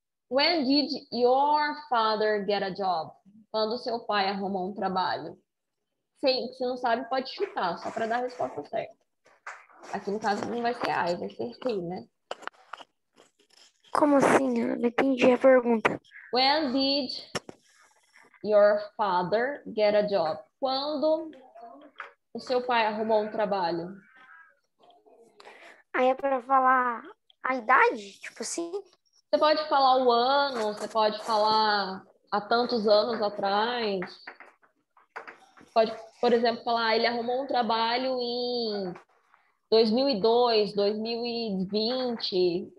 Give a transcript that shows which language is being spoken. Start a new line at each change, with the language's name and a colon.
English: When did your father get a job?
Portuguese: Quando seu pai arrumou um trabalho? Sim, se não sabe, pode chutar, só para dar a resposta certa. Aqui no caso não vai ser A, vai ser C, né? Como assim? Eu não entendi a pergunta.
English: When did your father get a job?
Portuguese: Quando o seu pai arrumou um trabalho? Aí é para falar a idade, tipo assim. Você pode falar o ano, você pode falar há tantos anos atrás. Pode, por exemplo, falar, ele arrumou um trabalho em 2002, 2020.